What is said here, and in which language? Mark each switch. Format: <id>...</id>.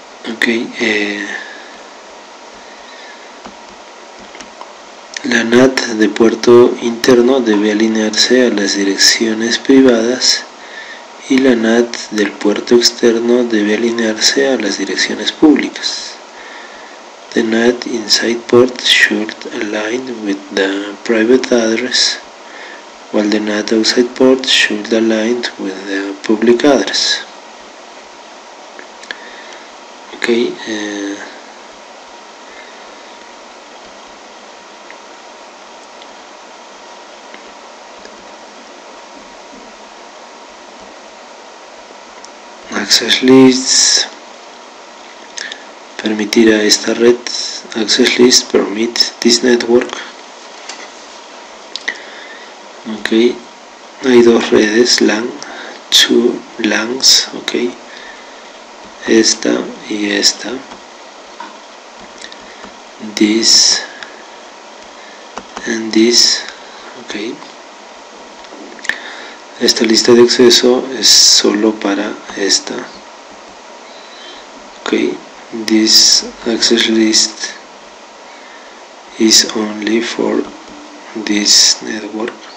<es>Okay, la NAT de puerto interno debe alinearse a las direcciones privadas y la NAT del puerto externo debe alinearse a las direcciones públicas.</es> <en>The NAT inside port should align with the private address, while the NAT outside port should align with the public address.</en> <es>Okay, access lists permitir a esta red,</es> <en>access lists permit this network.</en> <es>Okay, hay dos redes LAN,</es> <en>two LANs.</en> <es>Okay, esta y esta,</es> <en>this and this.</en> <es>Okay, esta lista de acceso es solo para esta.</es> <en>Okay, this access list is only for this network.</en>